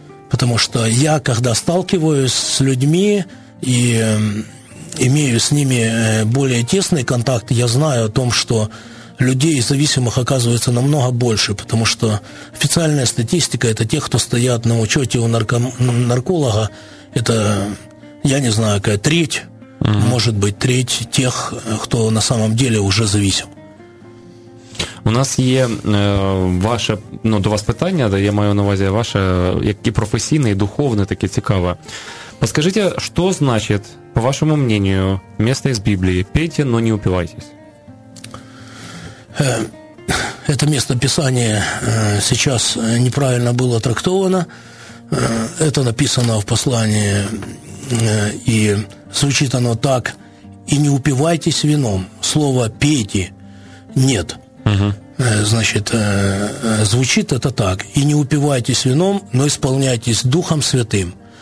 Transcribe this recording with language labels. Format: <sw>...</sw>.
<ru>Потому что я, когда сталкиваюсь с людьми и имею с ними более тесный контакт, я знаю о том, что людей зависимых оказывается намного больше, потому что официальная статистика – это те, кто стоят на учете у нарколога, это, я не знаю, какая треть, может быть, треть тех, кто на самом деле уже зависим.</ru> <uk>У нас є ваше, ну, до вас питання, я маю на увазі ваше, як і професійне, і духовне, таке цікаве. Поскажіть, що значить, по вашому мненню, місце з Біблії «Пейте, но не упивайтесь»?</uk> <ru>Это место Писания сейчас неправильно было трактовано. Это написано в послании, и звучит оно так: «И не упивайтесь вином». Слово «пейте» нет. Значит, звучит это так: «И не упивайтесь вином, но исполняйтесь Духом Святым».</ru>